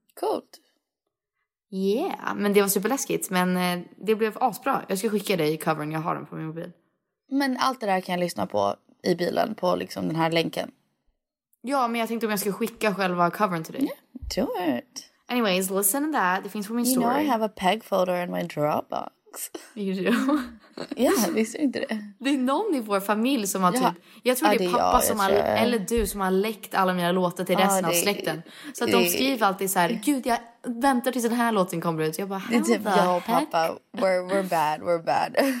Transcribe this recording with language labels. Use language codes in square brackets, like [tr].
[sv] Coolt. Yeah, men det var superläskigt. Men det blev asbra. Jag ska skicka dig covern, jag har den på min mobil. Men allt det där kan jag lyssna på i bilen, på liksom den här länken. Ja, men jag tänkte om jag ska skicka själva covern till dig. [en] Do it. Anyways, listen to that. [sv] Det finns på min [en] you story. You know I have a peg folder in my Dropbox. You do? [sv] Ja, visst är inte det. Det är någon i vår familj som har typ... Jag tror det är pappa jag, som har, eller du som har läckt alla mina låtar till resten av släkten. Så att de skriver alltid så här, gud jag... Vänta tills den här låten kommer ut. Jag bara, det är typ jag och pappa. [en] We're bad.